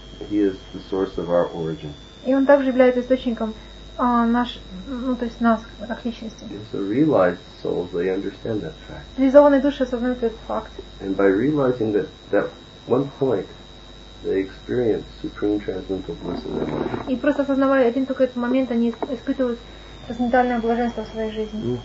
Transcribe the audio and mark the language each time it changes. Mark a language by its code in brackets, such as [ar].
[en] He is the source of our origin. [ru] И он также является источником нас как личности. [en] So realized souls, they understand that fact. [ru] Реализованные души осознают этот факт. [en] And by realizing that one point, they experience supreme transcendental bliss in their life. [ru] И просто осознавая один только этот момент, они испытывают трансцендентальное блаженство в своей жизни.